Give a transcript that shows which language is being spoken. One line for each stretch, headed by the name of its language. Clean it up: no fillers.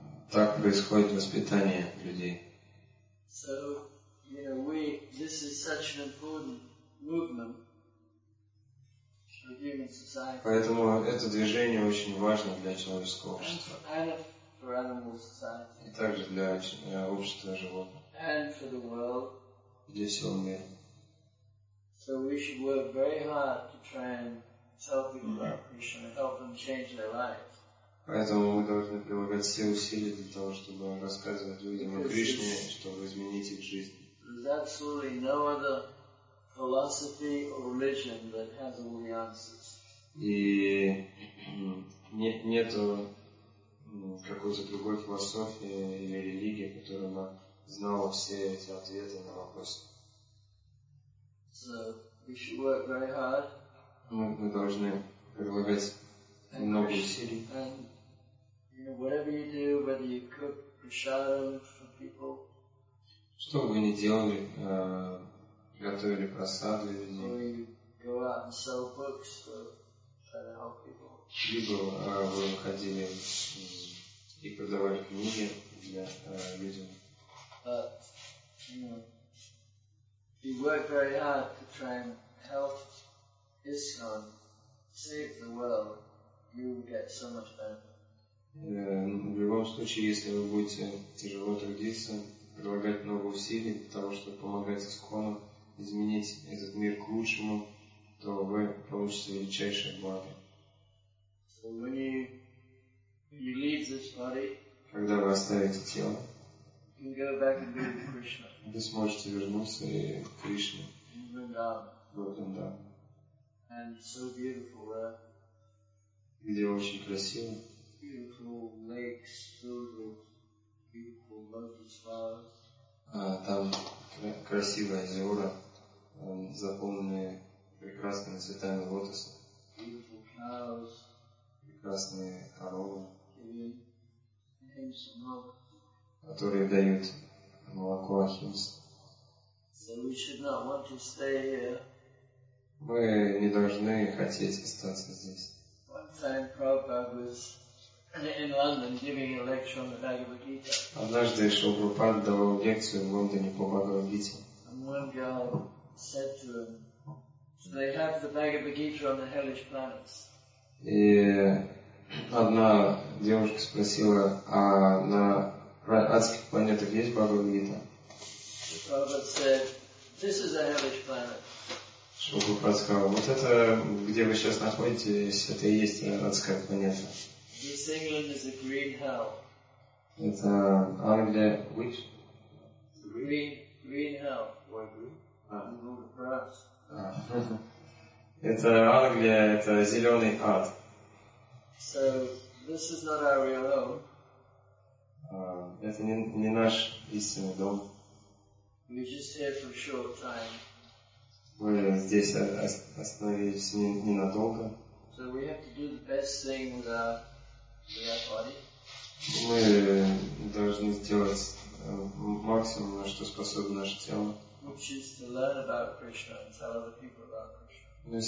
Russian: Так происходит воспитание людей.
English: So, you know, this is such an important movement for human society.
Russian: Поэтому это движение очень важно для человеческого общества.
English: For animal society.
Russian: И также для общества животных.
English: And for the world.
Russian: Для всего мира.
English: So we should work very hard to try and tell people about Krishna and help them change their lives.
Russian: Поэтому мы должны прилагать все усилия для того, чтобы рассказывать людям о Кришне, чтобы изменить их жизнь.
English: There's absolutely no other philosophy or religion that has all the answers.
Russian: И нету какой-то другой философии или религии, которая бы знала все эти ответы на вопросы.
English: So we should work very hard.
Russian: Мы должны прилагать много усилий.
English: And you know, whatever you do, whether you cook prasadam for people.
Russian: Что бы вы ни делали, готовили просад для людей.
English: Or you go out and sell books to try to help people.
Russian: Либо вы ходили и продавали книги для людей.
English: But you know, we work very hard to try and help ISKCON save the world. You will get so much benefit.
Russian: В любом случае, если вы будете тяжело трудиться, прилагать много усилий для того, чтобы помогать искону изменить этот мир к лучшему, то вы получите величайшее благо. Когда вы оставите тело, вы сможете вернуться и к Кришне. Вот он, да.
English: And so beautiful there.
Russian: Где очень красиво.
English: Beautiful lakes filled with beautiful lotus flowers.
Russian: Там красивые озера, заполненные прекрасными цветами лотоса.
English: Beautiful cows.
Russian: Прекрасные коровы.
English: Giving names of milk.
Russian: Которые дают молоко Ахимс.
English: So we should not want to stay here.
Russian: Мы не должны хотеть остаться здесь.
English: One time Prabhupada was in London giving a lecture on the Bhagavad Gita.
Russian: Однажды Шрила Прабхупада давал лекцию в Лондоне по Бхагавад Гите.
English: And one girl said to him, so they have the Bhagavad Gita on the hellish planets.
Russian: И одна девушка спросила, а на адских планетах есть Бхагавад Гита?
English: Prabhupada said, this is a hellish planet.
Russian: Шрила сказал, вот это, где вы сейчас находитесь, это и есть адская планета.
English: This England is a green hell.
Russian: Это Англия,
English: which? Green hell. Why green? Perhaps.
Russian: Это Англия, это зеленый ад.
English: So, this is not our real home.
Russian: Это не наш истинный дом.
English: We're just here for a short time.
Russian: Мы здесь остановились ненадолго.
English: So we have to do the best thing with our body.
Russian: Мы должны сделать максимум, на что способно наше тело.
English: Which is to learn about Krishna and tell other people about Krishna.